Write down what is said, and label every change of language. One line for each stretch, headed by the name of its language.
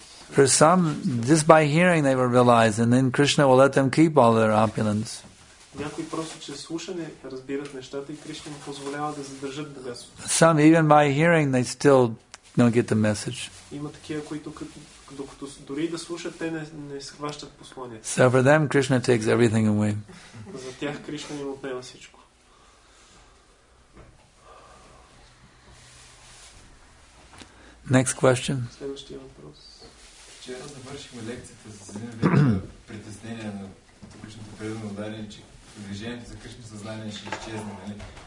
English: For some, just by hearing they will realize, and then Krishna will let them keep all their opulence.
Bulgarian: Някои просто чрез слушане разбират нещата и Кришна им позволява да задържат богатството.
English: Some even by hearing they still don't get the message.
Bulgarian: Има такива, които докато дори да слушат, те не схващат посланието.
English: So for them Krishna takes everything away.
Bulgarian: За тях Кришна им отнема всичко.
English: Next question.
Bulgarian: Следващия въпрос. Вчера завършихме лекцията за един вид притеснение на публичното предано дарение, че движението за Кришна съзнание ще изчезне. Нали?